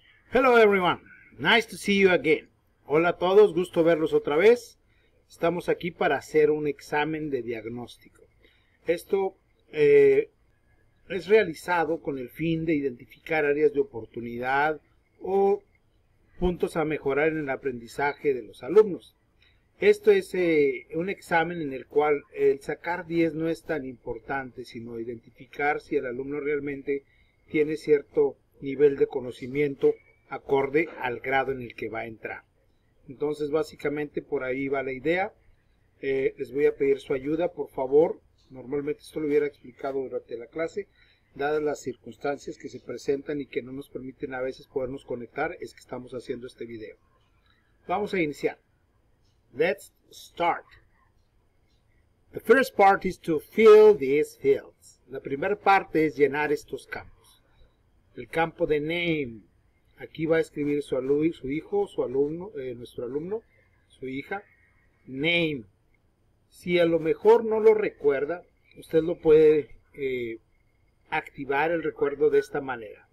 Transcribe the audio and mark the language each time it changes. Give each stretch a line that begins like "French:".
English: Hello everyone, nice to see you again.
Spanish: Hola a todos, gusto verlos otra vez. Estamos aquí para hacer un examen de diagnóstico. Esto es realizado con el fin de identificar áreas de oportunidad o puntos a mejorar en el aprendizaje de los alumnos. Esto es un examen en el cual el sacar 10 no es tan importante, sino identificar si el alumno realmente tiene cierto nivel de conocimiento acorde al grado en el que va a entrar. Entonces, básicamente, por ahí va la idea. Les voy a pedir su ayuda, por favor. Normalmente esto lo hubiera explicado durante la clase. Dadas las circunstancias que se presentan y que no nos permiten a veces podernos conectar, es que estamos haciendo este video. Vamos a iniciar. Let's start.
English: The first part is to fill these fields.
Spanish: La primera parte es llenar estos campos. El campo de name. Aquí va a escribir su hijo, su alumno, su hija, name. Si a lo mejor no lo recuerda, usted lo puede activar el recuerdo de esta manera.